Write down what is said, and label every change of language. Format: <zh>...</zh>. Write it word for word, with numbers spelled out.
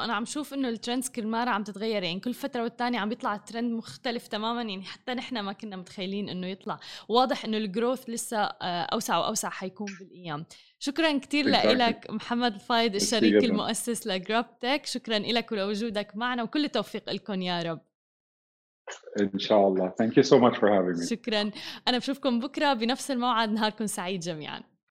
<ar>وأنا عم شوف إنه الترندز كل مرة عم تتغير، يعني كل فترة والتانية عم بيطلع الترند مختلف تماماً، يعني حتى نحنا ما كنا متخيلين إنه يطلع. واضح إنه الجروث لسه أوسع وأوسع حيكون بالأيام. شكراً كتير لإلك محمد الفايد، الشريك المؤسس لجراب تك. شكراً إلك ولوجودك معنا، وكل التوفيق لكم يا رب إن شاء الله.</ar> <en>Thank you so much for having me.</en> <ar>شكراً. أنا بشوفكم بكرة بنفس الموعد. نهاركم سعيد جميعاً.</ar>